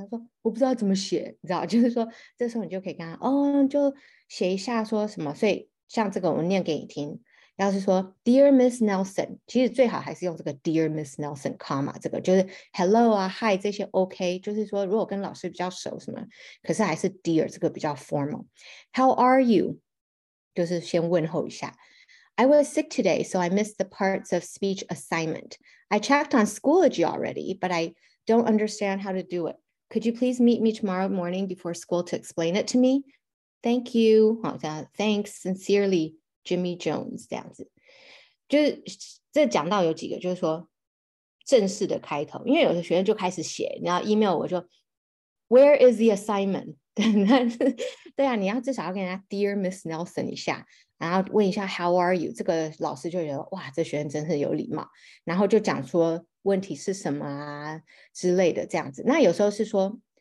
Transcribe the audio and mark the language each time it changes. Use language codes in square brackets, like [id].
[zh] 她说我不知道怎么写，你知道？就是说这时候你就可以跟她，哦，就写一下说什么。所以像这个，我念给你听。要是说 Dear Miss Nelson，其实最好还是用这个 [en] Dear Miss Nelson comma [zh] 这个，就是 Hello 啊 Hi 这些 OK，就是说如果跟老师比较熟什么，可是还是 Dear 这个比较 formal。 [en] How are you？ [zh] 就是先问候一下。 [en] I was sick today, so I missed the parts of speech assignment. I checked on Schoology already, but I don't understand how to do it. Could you please meet me tomorrow morning before school to explain it to me? Thank you. [zh] 好的， [en] Thanks sincerely。 [zh] Jimmy Jones 这样子，就是这讲到有几个，就是说正式的开头，因为有的学生就开始写，然后 email 我就 [en] Where is the assignment？ [zh] 对啊，你要至少要跟人家 Dear Miss Nelson 一下，然后问一下 [en] How are you？ [zh] 这个老师就觉得哇，这学生真是有礼貌，然后就讲说问题是什么啊之类的这样子。那有时候是说。